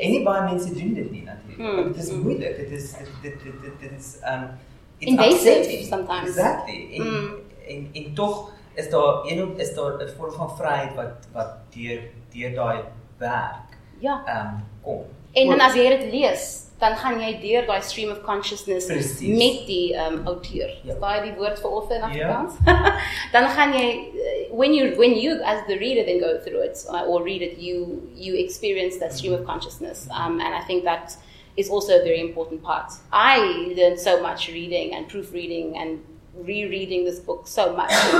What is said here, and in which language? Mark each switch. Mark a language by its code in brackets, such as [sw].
[af] En die baie mense doen dit nie natuurlijk. [nl] Hmm. Het is moeilijk. Het is [en] it's invasive sometimes. Exactly. [af] En toch is daar een vorm van vryheid wat deur daai werk kom. En as jy dit lees, dan gaan jy deur daai [en] stream of consciousness [nl] precies. [af] Met die auteur. [en] Yep. [af] Daai die woord vir author in Afrikaans. [en] Yep. [af] Dan gaan jy [en] when you as the reader then go through it or read it, you experience that stream mm-hmm. of consciousness. And I think that is also a very important part. I learned so much reading and proofreading and rereading this book so much.